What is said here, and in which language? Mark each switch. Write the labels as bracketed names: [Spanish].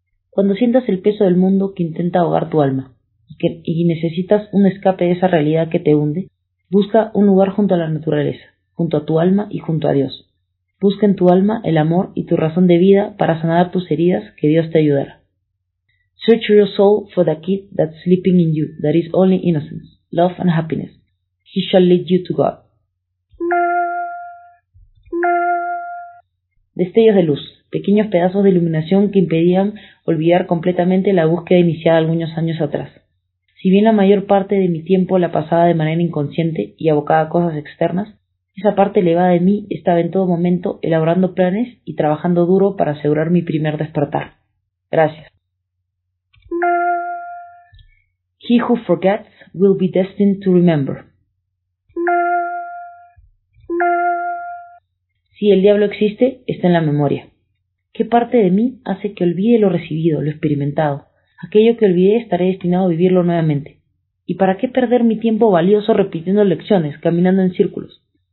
[Spanish] Cuando sientas el peso del mundo que intenta ahogar tu alma y necesitas un escape de esa realidad que te hunde, busca un lugar junto a la naturaleza, junto a tu alma y junto a Dios. Busca en tu alma el amor y tu razón de vida para sanar tus heridas, que Dios te ayudará. [English] Search your soul for the kid that's sleeping in you, that is only innocence, love and happiness. He shall lead you to God. [Spanish] Destellos de luz, pequeños pedazos de iluminación que impedían olvidar completamente la búsqueda iniciada algunos años atrás. Si bien la mayor parte de mi tiempo la pasaba de manera inconsciente y abocada a cosas externas, esa parte elevada de mí estaba en todo momento elaborando planes y trabajando duro para asegurar mi primer despertar. Gracias. [English] He who forgets will be destined to remember. [Spanish] Si el diablo existe, está en la memoria. ¿Qué parte de mí hace que olvide lo recibido, lo experimentado? Aquello que olvidé estaré destinado a vivirlo nuevamente. ¿Y para qué perder mi tiempo valioso repitiendo lecciones, caminando en círculos?